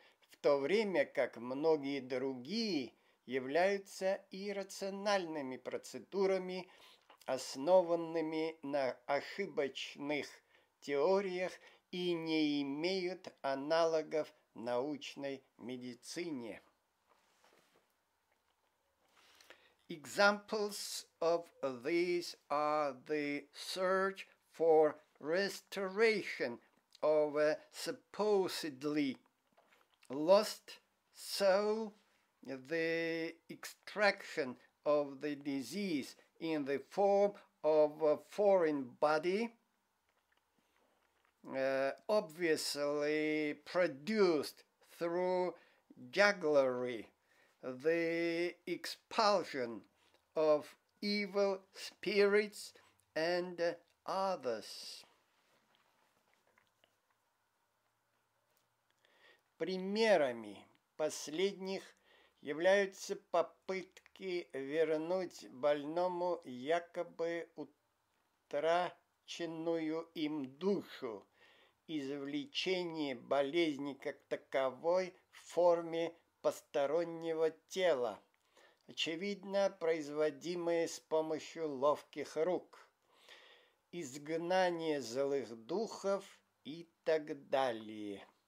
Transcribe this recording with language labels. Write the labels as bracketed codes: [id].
[ru] в то время как многие другие являются иррациональными процедурами, основанными на ошибочных теориях и не имеют аналогов научной медицине. [en] Examples of these are the search for restoration of a supposedly lost soul, the extraction of the disease in the form of a foreign body, obviously produced through jugglery, the expulsion of evil spirits and others. [ru] Примерами последних являются попытки вернуть больному якобы утраченную им душу, извлечение болезни как таковой в форме постороннего тела, очевидно, производимое с помощью ловких рук, изгнание злых духов и так далее.